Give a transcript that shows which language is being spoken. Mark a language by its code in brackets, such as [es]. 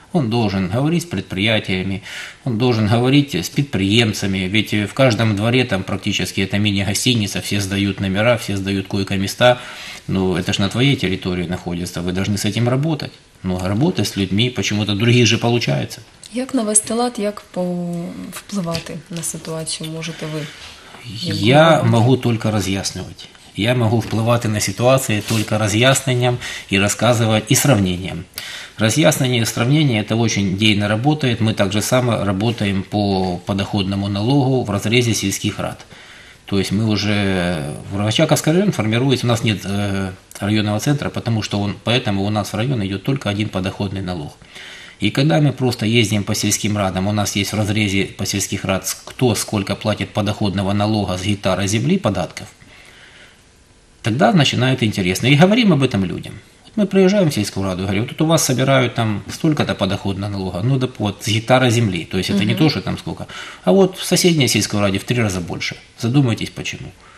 [ru] Он должен говорить с предприятиями, он должен говорить с предприемцами, ведь в каждом дворе там практически это мини-гостиница, все сдают номера, все сдают койко-места, ну это же на твоей территории находится, вы должны с этим работать. Ну работать с людьми, почему-то других же получается. [uk] Як навести лад, як повпливати на ситуацію можете ви? [ru] Я могу только роз'яснювати. Я могу [uk] впливати на ситуації тільки роз'ясненням і розказувати, і сравненням. Роз'яснення і сравнення – це дуже дійно працює. Ми так само працюємо по подоходному налогу в розрізі сільських рад. Тобто ми вже в Очаковському районі формується, у нас немає районного центру, тому що він, тому у нас в районі йде тільки один подоходний налог. [ru] И когда мы просто ездим по сельским радам, у нас есть в разрезе по сельских рад, кто сколько платит подоходного налога с гектара земли, податков, тогда начинает интересно. И говорим об этом людям. Вот мы приезжаем в сельскую раду и говорим, тут у вас собирают там столько-то подоходного налога, ну да вот с гектара земли, то есть это не то, что там сколько, а вот в соседней сельской раде в 3 раза больше. Задумайтесь, почему.